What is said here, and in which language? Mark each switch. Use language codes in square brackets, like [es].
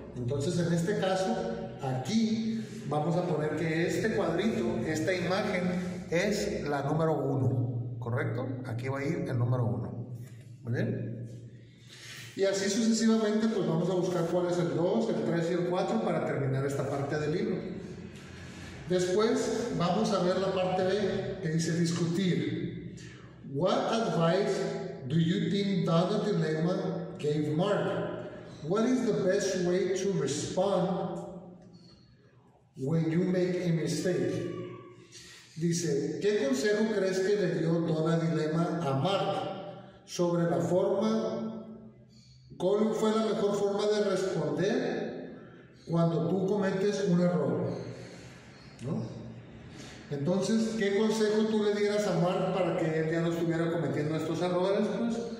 [es] Entonces, en este caso, aquí vamos a poner que este cuadrito, esta imagen, es la número uno. ¿Correcto? Aquí va a ir el número uno. ¿Muy bien? Y así sucesivamente, pues vamos a buscar cuál es el 2, el 3 y el 4 para terminar esta parte del libro. Después vamos a ver la parte B, que dice discutir. [en] What advice do you think Donna Dilemma gave Mark? What is the best way to respond when you make a mistake? [es] Dice, ¿qué consejo crees que le dio Donna Dilemma a Mark sobre la forma? ¿Cuál fue la mejor forma de responder cuando tú cometes un error? ¿No? Entonces, ¿qué consejo tú le dieras a Mark para que él ya no estuviera cometiendo estos errores, pues?